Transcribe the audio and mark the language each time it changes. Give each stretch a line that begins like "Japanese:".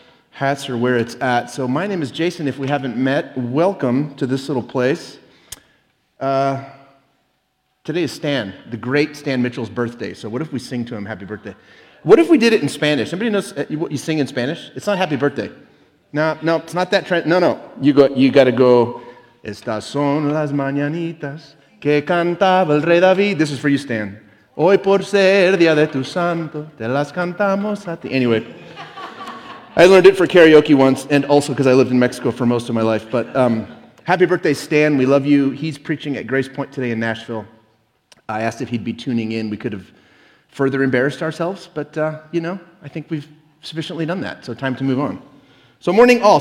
English: Hats are where it's at. So my name is Jason. If we haven't met, welcome to this little place. Today is Stan, the great Stan Mitchell's birthday. So what if we sing to him happy birthday? What if we did it in Spanish? Anybody knows what you sing in Spanish? It's not happy birthday. No, it's not that trend. No. You got to go,
Spanish: estas son las mañanitas que cantaba el rey David.
English: This is for you, Stan.
Spanish: Hoy por ser día de tu santo, te las cantamos a ti.
English: Anyway, I learned it for karaoke once, and also because I lived in Mexico for most of my life. But happy birthday, Stan. We love you. He's preaching at Grace Point today in Nashville. I asked if he'd be tuning in. We could have further embarrassed ourselves, but I think we've sufficiently done that. So time to move on. So morning all.